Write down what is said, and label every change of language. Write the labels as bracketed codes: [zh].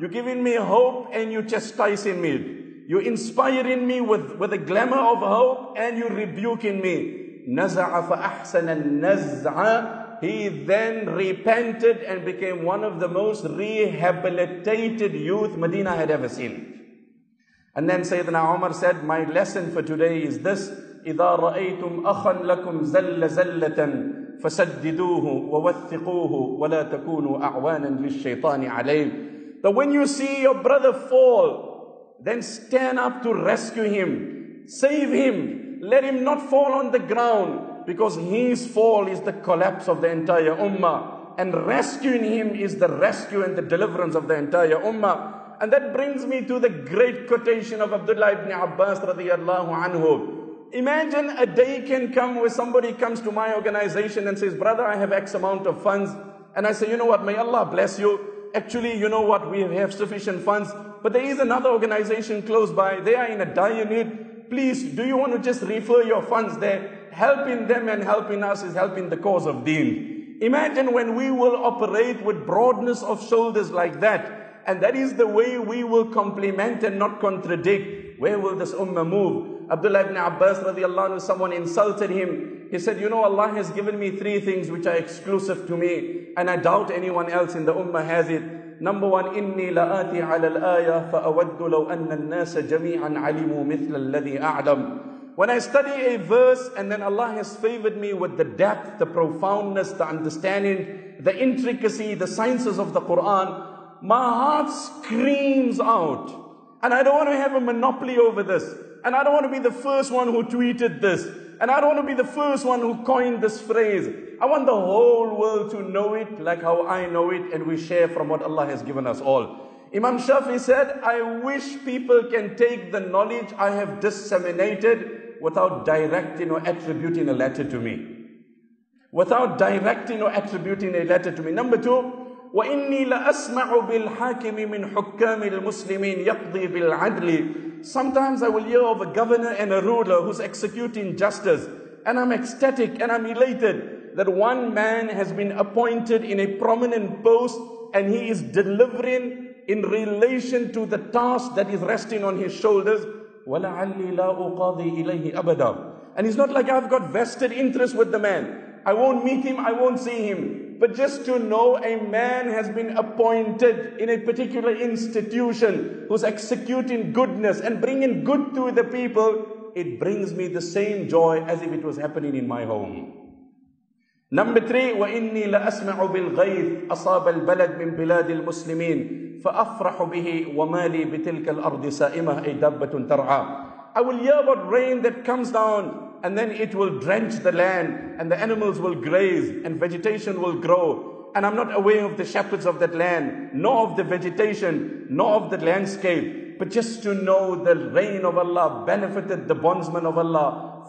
[en] You're giving me hope and you're chastising me. You're inspiring me with a glimmer of hope and you're rebuking me. [ar] نزع فأحسن النزع. [en] He then repented and became one of the most rehabilitated youth Medina had ever seen. And then Sayyidina Umar said, my lesson for today is this. [ar] إذا رأيتم أخا لكم زل زلة فسددوه ووثقوه ولا تكونوا أعوانا للشيطان عليه. [en] That when you see your brother fall, then stand up to rescue him, save him. Let him not fall on the ground, because his fall is the collapse of the entire ummah. And rescuing him is the rescue and the deliverance of the entire ummah. And that brings me to the great quotation of Abdullah ibn Abbas radiallahu anhu. Imagine a day can come where somebody comes to my organization and says, brother, I have X amount of funds. And I say, you know what, may Allah bless you. Actually, you know what, we have sufficient funds. But there is another organization close by. They are in a dire need. Please, do you want to just refer your funds there? Helping them and helping us is helping the cause of deen. Imagine when we will operate with broadness of shoulders like that. And that is the way we will complement and not contradict. Where will this ummah move? Abdullah ibn Abbas radiallahu anhu, someone insulted him. He said, you know, Allah has given me three things which are exclusive to me. And I doubt anyone else in the ummah has it. Number one, [ar] إِنِّي لَآتِي عَلَى الْآيَةِ فَأَوَدُّ لَوْ أَنَّ النَّاسَ جَمِيعًا عَلِمُوا مِثْلَ الَّذِي أَعْلَمُ. [en] When I study a verse and then Allah has favored me with the depth, the profoundness, the understanding, the intricacy, the sciences of the Quran, my heart screams out. And I don't want to have a monopoly over this. And I don't want to be the first one who tweeted this. And I don't want to be the first one who coined this phrase. I want the whole world to know it like how I know it, and we share from what Allah has given us all. Imam Shafi said, I wish people can take the knowledge I have disseminated without directing or attributing a letter to me. Without directing or attributing a letter to me. Number two, [ar] وَإِنِّي لَأَسْمَعُ بِالْحَاكِمِ مِنْ حُكَّامِ الْمُسْلِمِينَ يَقْضِي بِالْعَدْلِ. [en] Sometimes I will hear of a governor and a ruler who's executing justice, and I'm ecstatic and I'm elated that one man has been appointed in a prominent post and he is delivering in relation to the task that is resting on his shoulders. [ar] وَلَعَلِّي لَا أُقَاضِي إِلَيْهِ أَبَدًا. [en] And it's not like I've got vested interest with the man. I won't meet him, I won't see him. But just to know a man has been appointed in a particular institution who's executing goodness and bringing good to the people, it brings me the same joy as if it was happening in my home. Number three, [ar] وَإِنِّي لَأَسْمَعُ بِالْغَيْثِ أَصَابَ الْبَلَدِ مِنْ بِلَادِ الْمُسْلِمِينَ فَأَفْرَحُ بِهِ وَمَالِي بِتِلْكَ الْأَرْضِ سَائِمَةَ أَيْ دَبَّةٌ تَرْعَى. [en] I will hear about rain that comes down and then it will drench the land and the animals will graze and vegetation will grow. And I'm not aware of the shepherds of that land, nor of the vegetation, nor of the landscape. But just to know the rain of Allah benefited the bondsman of Allah.